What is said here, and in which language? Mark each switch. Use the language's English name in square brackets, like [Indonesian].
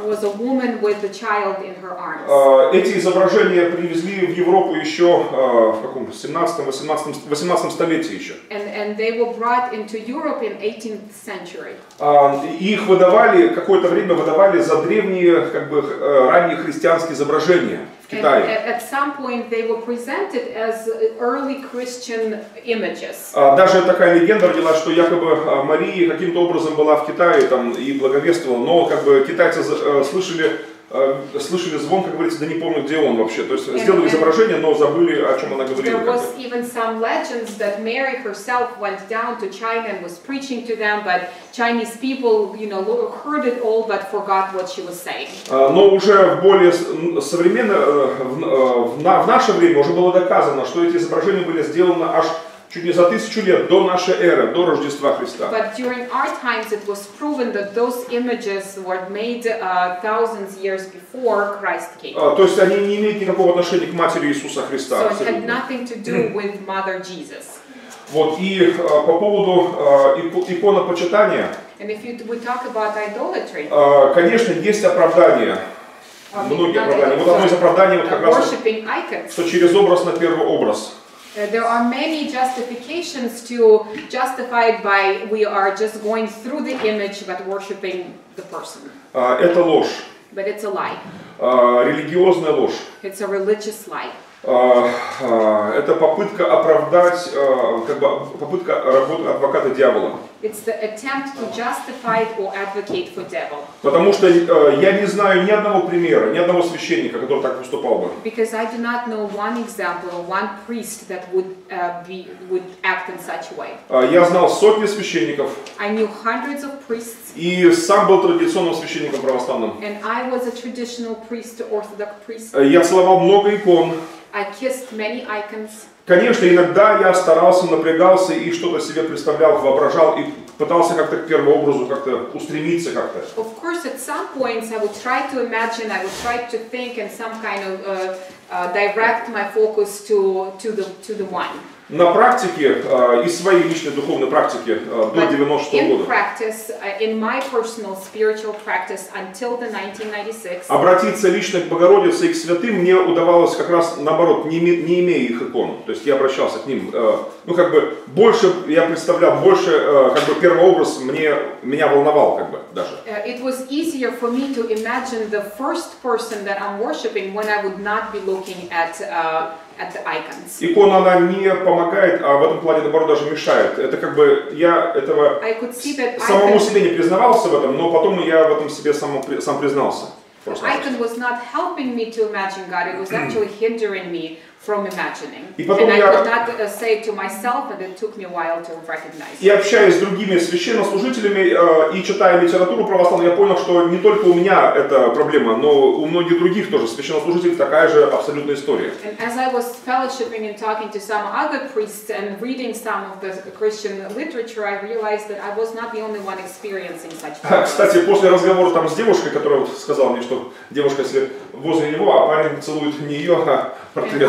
[English] Was a woman with the child in her arms. [Russian] Эти изображения привезли в Европу еще в каком 17-18 столетии еще. [English] And they were brought into Europe in 18th century. [Russian] Их выдавали, какое-то время выдавали за древние, как бы, ранние христианские изображения в Китае. [English] At some point they were presented as early Christian images. [Russian] Даже такая легенда родилась, что якобы Мария каким-то образом была в Китае там и благовествовала, но как бы китайцы слышали звон, как говорится, да не помню, где он вообще. То есть сделали изображение, но забыли, о чем она говорила. [English] There was even some legends that Mary herself went down to China and was preaching to them, but Chinese people, you know, heard it all but forgot what she was saying. [Russian] Но уже в более современное, в наше время уже было доказано, что эти изображения были сделаны аж чуть не за 1000 лет до нашей эры, до Рождества Христа. [English] But during our times it was proven that those images were made thousands years before Christ came. [Russian] То есть они не имеют никакого отношения к Матери Иисуса Христа. [English] So it had nothing to do with Mother Jesus. [Russian] Вот, и по поводу иконопочитания. [English] And if we talk about idolatry. [Russian] Конечно, есть оправдание. Многие оправдания. Вот одно из оправданий вот как раз, [English] worshiping icons. [Russian] Что через образ на первый образ. [English] There are many justifications to justify it by we are just going through the image but worshiping the person. [Russian] Это ложь. [English] But it's a lie. [Russian] Религиозная ложь. [English] It's a religious lie. [Russian] Это попытка оправдать, как бы попытка работы адвоката дьявола. [English] It's the attempt to justify or advocate for devil. [Russian] Потому что я не знаю ни одного примера, ни одного священника, который так поступал бы. [English] Because I do not know one example or one priest that would act in such a way. [Russian] Я знал сотни священников. [English] I knew hundreds of priests. [Russian] И сам был традиционным священником православным. [English] And I was a traditional priest, orthodox priest. [Russian] Я целовал много икон. [English] I kissed many icons. [Russian] Конечно, иногда я старался, напрягался и что-то себе представлял, воображал и пытался как-то к первому образу как-то устремиться как-то. [English] Of course, at some points I would try to imagine, I would try to think and some kind of direct my focus to the one. [Russian] На практике, из своей личной духовной практики до 96 года. [English] In practice, in my personal spiritual practice until the 1996. [Russian] Обратиться лично к Богородице и к святым мне удавалось как раз наоборот, не имея их икон. То есть я обращался к ним, ну как бы больше я представлял, больше как бы первый образ меня волновал как бы даже. [English] It was easier for me to imagine the first person that I'm worshiping when I would not be looking at the icons. [Russian] Икона она не помогает, а в этом плане наоборот даже мешает. Это как бы я этого самому себе не признавался в этом, но потом я в этом себе сам признался. [English] Icon was not helping me to imagine God. It was actually hindering me from imagining. [Russian] И потом [English] and I could not say it to myself, and it took me a while to recognize. [Russian] И общаясь с другими священнослужителями и читая литературу православную, я понял, что не только у меня эта проблема, но у многих других тоже священнослужителей такая же абсолютная история. [English] And as I was fellowshipping and talking to some other priests and reading some of the Christian literature, I realized that I was not the only one experiencing such problems. [Russian] Кстати, после разговора там с девушкой, которая сказала мне, что девушка сидит возле него, а парень целует не ее, а портрет.